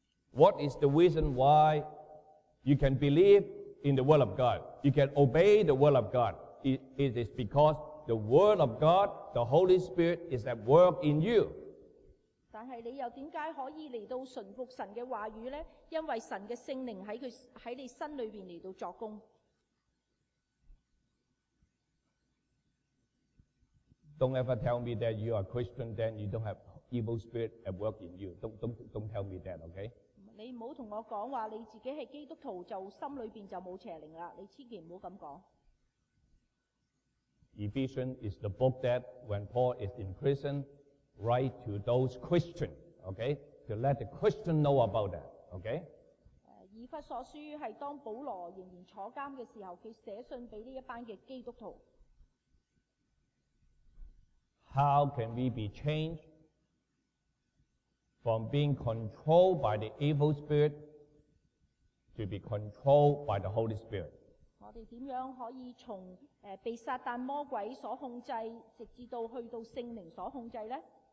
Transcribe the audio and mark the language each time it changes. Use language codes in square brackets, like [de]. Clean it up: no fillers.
[en] What is the reason why you can believe in the word of God? You can obey the word of God. It is because the word of God, the Holy Spirit, is at work in you. [zh] 但是你又为什么可以来到顺服神的话语呢? 因为神的圣灵在你心里面来到作工。 [en] Don't ever tell me that you are Christian, then you don't have evil spirit at work in you. Don't tell me that, okay? [zh] 你不要跟我说你自己是基督徒，就心里面就没有邪灵了。你千万不要这么说。 [en] Ephesians is the book that when Paul is in prison, write to those Christians, okay? To let the Christian know about that, okay? [zh] 以弗所書是當保羅仍然坐監的時候，他寫信給這一班的基督徒。 [en] How can we be changed from being controlled by the evil spirit to be controlled by the Holy Spirit? [zh] 我們怎樣可以從被撒旦魔鬼所控制，直至到去到聖靈所控制呢？